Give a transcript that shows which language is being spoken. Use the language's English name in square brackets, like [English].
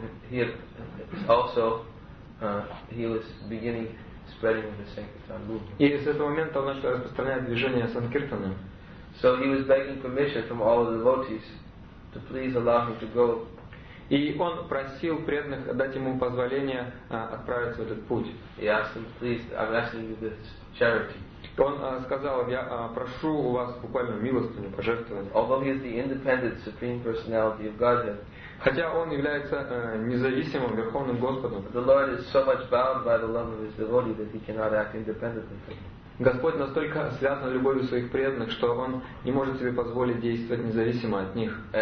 [Russian] И с этого момента он начал распространять движение Санкиртаны. [English] So he was begging permission from all the devotees to please allow him to go. [Russian] И он просил преданных дать ему позволение отправиться в этот путь. [English] He asked them, please, I'm asking you this charity. [Russian] Он сказал, я прошу у вас буквально милостыню, пожертвование. [English] Although he is the independent supreme personality of Godhead. [Russian] Хотя он является независимым верховным Господом. [English] The Lord is so much bound by the love of his devotee that he cannot act independently from him. [Russian] Господь настолько связан любовью своих преданных, что Он не может себе позволить действовать независимо от них.